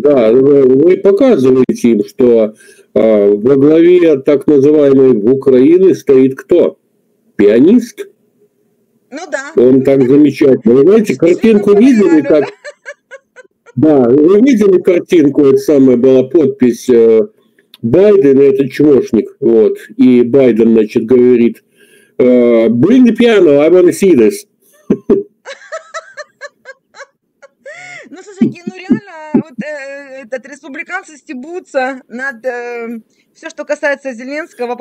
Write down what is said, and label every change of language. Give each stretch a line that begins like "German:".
Russian: Да, вы показываете им, что во главе так называемой Украины стоит кто? Пианист? Ну да. Он так замечательный. Вы знаете, картинку видели так? Да, вы видели картинку, это самая была подпись Байден, это чмошник, вот. И Байден, значит, говорит,
English: bring the piano, I want to see this.
Russian: Ну, слушайте, ну реально, вот этот республиканцы стебутся над все, что касается Зеленского.